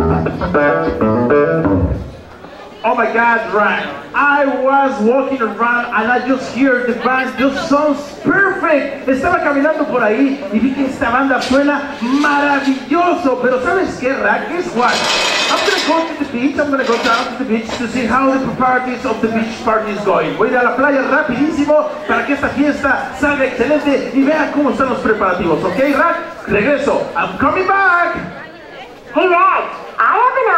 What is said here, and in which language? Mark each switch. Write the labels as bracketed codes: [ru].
[en] Oh my God, Ryan, I was walking around and I just heard the band do sounds perfect. [es] Estaba caminando por ahí y vi que esta banda suena maravilloso. Pero ¿sabes qué, Ryan? [en] Guess what? I'm gonna go to the beach, I'm gonna go down to the beach to see how the properties of the beach party is going. [es] Voy a ir a la playa rapidísimo para que esta fiesta salga excelente y vea cómo están los preparativos, ¿ok, Rack? Regreso. [en] I'm coming back! Hey, Rack, I have an